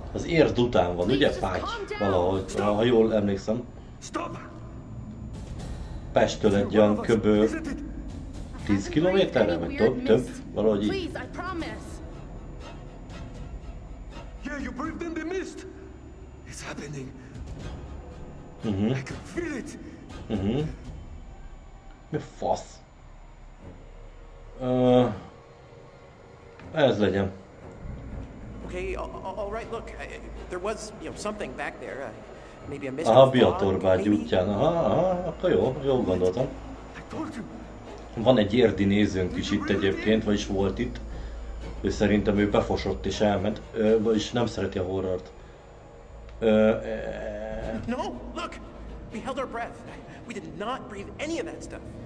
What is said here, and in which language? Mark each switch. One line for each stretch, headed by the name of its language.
Hungarian: Az érd után van, ugye, Páty? Valahogy, ha jól emlékszem.
English: Stop!
Hungarian: Pesttől egy olyan köböl 10 kilométerre, vagy több, valahogy így.
English: Yeah, you breathed in the mist. It's happening. I can feel it.
Hungarian: Mi fasz? Ez legyen.
English: Okay, all right, look. There was, you know, something back there. Maybe a mist.
Hungarian: Aha, biatorbágy útján. Akkor jó gondoltam. Van egy érdi nézőnk is itt egyébként, vagyis volt itt. Ő szerintem ő befosott és elment, vagyis nem szereti a horrort.
English: No, look. We held our breath. We did not breathe any of that stuff.